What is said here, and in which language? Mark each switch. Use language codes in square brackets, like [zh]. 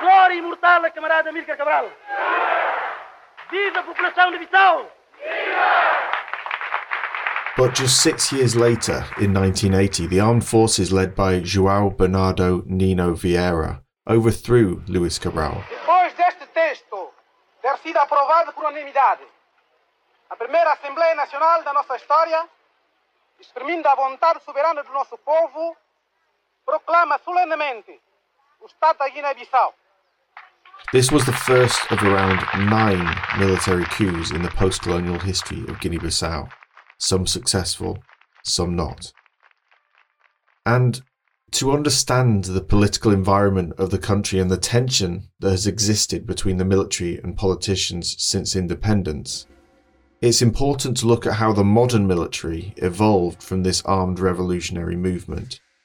[pt] Glória imortal a camarada Amílcar Cabral! Viva! Viva a população de Bissau! Viva! [en] But just 6 years later, in 1980, the armed forces led by João Bernardo Nino Vieira overthrew Luis Cabral. [pt] Depois deste texto ter sido aprovado por unanimidade, a primeira Assembleia Nacional da nossa história, exprimindo a vontade soberana do nosso povo, proclama solenemente o Estado da Guiné-Bissau. [en] This was the first of around 9 military coups in the post-colonial history of Guinea-Bissau. Some successful, some not. And to understand the political environment of the country and the tension that has existed between the military and politicians since independence, it's important to look at how the modern military evolved from this armed revolutionary movement.